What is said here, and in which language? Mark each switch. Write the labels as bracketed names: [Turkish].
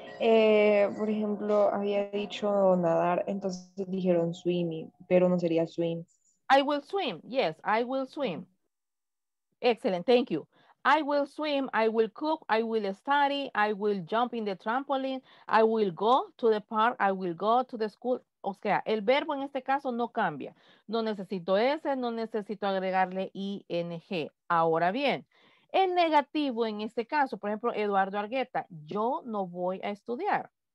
[Spanish] Por ejemplo, había dicho nadar, entonces dijeron swimming, pero no sería swim. [English] I will swim. Yes, I will swim. Excellent, thank you. I will swim, I will cook, I will study, I will jump in the trampoline, I will go to the park, I will go to the school. [Spanish] O sea, el verbo en este caso no cambia. No necesito ese, no necesito agregarle ing. Ahora bien, el negativo en este caso, por ejemplo, Eduardo Argueta, yo no voy a estudiar.